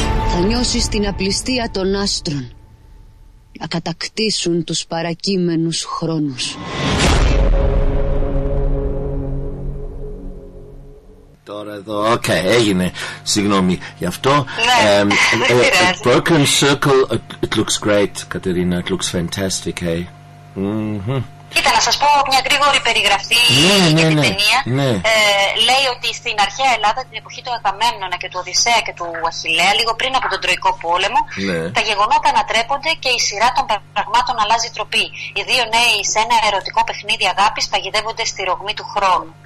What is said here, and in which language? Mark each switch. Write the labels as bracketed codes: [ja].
[el] Θα νιώσεις την απληστία των άστρων να κατακτήσουν τους παρακείμενους χρόνους. Τώρα εδώ, οκ, okay, έγινε. Συγγνώμη γι' αυτό. Ναι, [en] Broken Circle, it looks great, Κατερίνα, it looks fantastic, hey. [el] Κοίτα, να σας πω μια γρήγορη περιγραφή για την ταινία. Ναι. Λέει ότι στην αρχαία Ελλάδα, την εποχή του Αγαμέμνονα και του Οδυσσέα και του Αχιλλέα, λίγο πριν από τον Τροϊκό Πόλεμο, τα γεγονότα ανατρέπονται και η σειρά των πραγμάτων αλλάζει τροπή. Οι δύο νέοι σε ένα ερωτικό παιχνίδι αγάπης παγιδεύονται στη ρογμή του χρόνου.